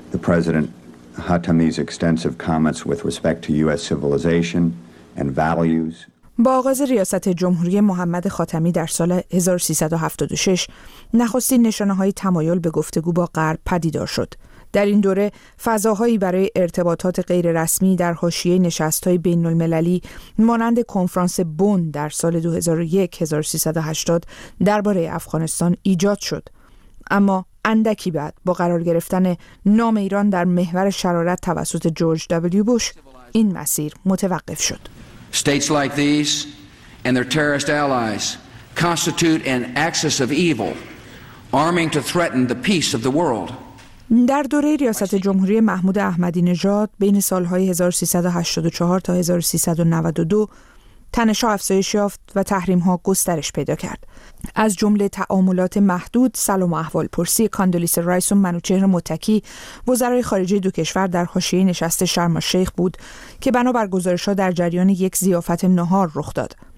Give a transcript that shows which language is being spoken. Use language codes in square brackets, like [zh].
[en] President Khatami's extensive comments with respect to US civilization and values. [fa] با آغاز ریاست جمهوری محمد خاتمی در سال 1376 نخستین نشانه‌های تمایل به گفتگو با غرب پدیدار شد. در این دوره فضاهایی برای ارتباطات غیر رسمی در حاشیه نشست‌های بین‌المللی مانند کنفرانس بن در سال 2001-1380 درباره افغانستان ایجاد شد. اما اندکی بعد با قرار گرفتن نام ایران در محور شرارت توسط جورج دبلیو بوش این مسیر متوقف شد. [en] States like these and their terrorist allies constitute an axis of evil, arming to threaten the peace of the world. [fa] در دوره ریاست جمهوری محمود احمدی نژاد بین سالهای 1384 تا 1392 تنش‌ها افزایش یافت و تحریم‌ها گسترش پیدا کرد. از جمله تعاملات محدود، سلام و احوال پرسی کاندولیس رایس و منوچهر متکی وزرای خارجه دو کشور در حاشیه نشست شرم الشیخ بود که بنابر گزارش‌ها در جریان یک ضیافت نهار رخ داد.